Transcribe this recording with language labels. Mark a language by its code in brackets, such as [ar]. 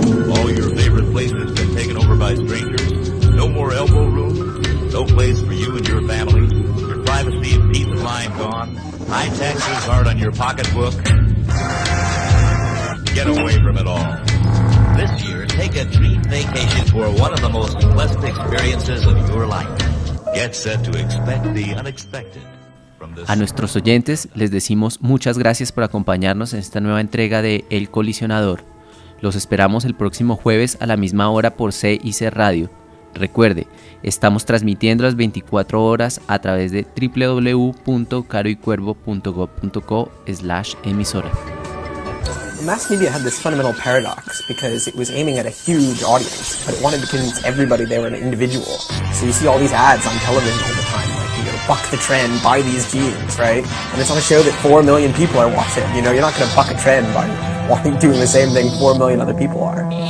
[en] All your favorite placements have been taken over by by strangers, no more elbow room, no place for you and your family, your privacy and peace of mind gone, high taxes hard on your pocketbook. Get away from it all. This year, take a dream vacation for one of the most pleasant experiences of your life. Get set to expect the unexpected. [es] A nuestros oyentes les decimos muchas gracias por acompañarnos en esta nueva entrega de El Colisionador. Los esperamos el próximo jueves a la misma hora por CIC Radio. Recuerde, estamos transmitiendo las 24 horas a través de www.caroycuervo.gov.co/emisora. [en] Mass media had this fundamental paradox because it was aiming at a huge audience, but it wanted to convince everybody they were an individual. So you see all these ads on television all the time, like, you know, buck the trend, buy these jeans, right? And it's on a show that 4 million people are watching. You know, you're not going to buck a trend by doing the same thing 4 million other people are.